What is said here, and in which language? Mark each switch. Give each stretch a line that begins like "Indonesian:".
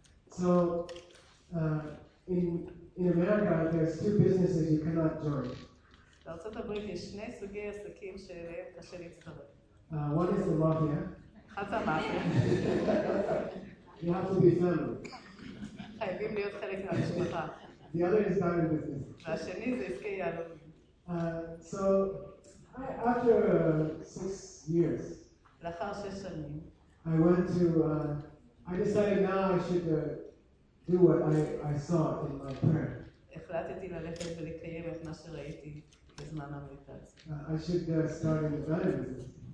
English: So in America, there's two businesses you cannot join.
Hebrew: בארצות הברית יש שני סוגי עסקים שאליהם קשה להצטרף.
English: One is the mafia.
Hebrew: אחד זה המאפיה.
English: You have to be family.
Hebrew: חייבים להיות חלק מהמשפחה.
English: The other is diamond business.
Hebrew: והשני זה עסקי יהלומים.
English: So, after 6 years,
Hebrew: לאחר 6 שנים,
English: I went to, I decided now I should do what I saw in my prayer.
Hebrew: החלטתי ללכת ולקיים את מה שראיתי.
English: I should start in the banner business.